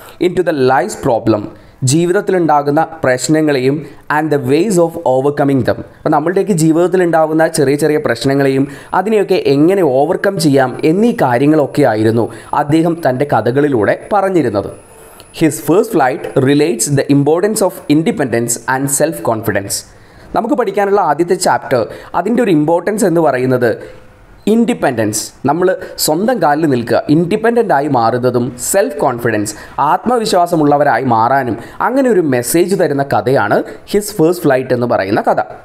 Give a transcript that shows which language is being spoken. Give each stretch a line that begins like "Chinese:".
English: into the life's problem,
Malayalam: ജീവിതത്തിലുണ്ടാകുന്ന പ്രശ്നങ്ങളെയും
English: And the ways of overcoming them.
Malayalam: അപ്പോൾ നമ്മളുടെയൊക്കെ ജീവിതത്തിലുണ്ടാകുന്ന ചെറിയ ചെറിയ പ്രശ്നങ്ങളെയും അതിനെയൊക്കെ എങ്ങനെ ഓവർകം ചെയ്യാം എന്നീ കാര്യങ്ങളൊക്കെ ആയിരുന്നു അദ്ദേഹം തൻ്റെ കഥകളിലൂടെ പറഞ്ഞിരുന്നത്.
English: His first flight relates the importance of independence and self-confidence.
Malayalam: നമുക്ക് പഠിക്കാനുള്ള ആദ്യത്തെ ചാപ്റ്റർ അതിൻ്റെ ഒരു ഇമ്പോർട്ടൻസ് എന്ന് പറയുന്നത് ഇൻഡിപെൻഡൻസ്, നമ്മൾ സ്വന്തം കാലിൽ നിൽക്കുക, ഇൻഡിപെൻഡൻ്റ് ആയി മാറുന്നതും സെൽഫ് കോൺഫിഡൻസ്, ആത്മവിശ്വാസമുള്ളവരായി മാറാനും, അങ്ങനെ ഒരു മെസ്സേജ് തരുന്ന കഥയാണ് ഹിസ് ഫേഴ്സ് ഫ്ലൈറ്റ് എന്ന് പറയുന്ന കഥ.